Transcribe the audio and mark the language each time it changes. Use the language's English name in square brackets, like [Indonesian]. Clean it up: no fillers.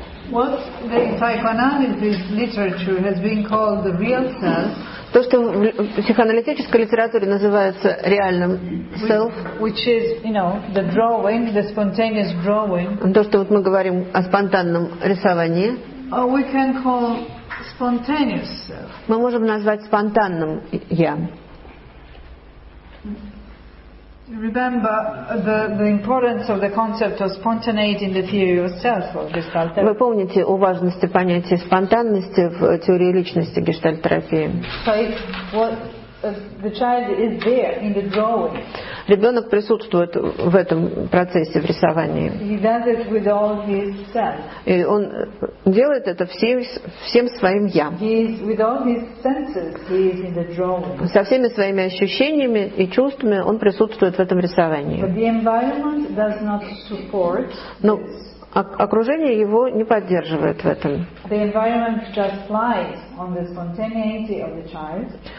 [English] What the psychoanalysis literature has been called the real self. [Russian] То, что в психоаналитической литературе называется реальным self, [English] which is, you know, the drawing, the spontaneous drawing. [Russian] То, что вот мы говорим о спонтанном рисовании. [English] Or we can call spontaneous self. [Russian] Мы можем назвать спонтанным я. [English] Remember the importance of the concept of spontaneity in the theory of self or Gestalt therapy. [Russian] Вы помните о важности понятия спонтанности в теории личности гештальт-терапии? [English] So if the child is there in the drawing. [Russian] Ребенок присутствует в этом процессе в рисовании. [English] He does it with all his self. [Russian] И он делает это всем своим я. [English] He is with all his senses. He is in the drawing. [Russian] Со всеми своими ощущениями и чувствами он присутствует в этом рисовании. [English] But the environment does not support. [Russian] Но окружение его не поддерживает в этом. [English] The environment just lies on the spontaneity of the child.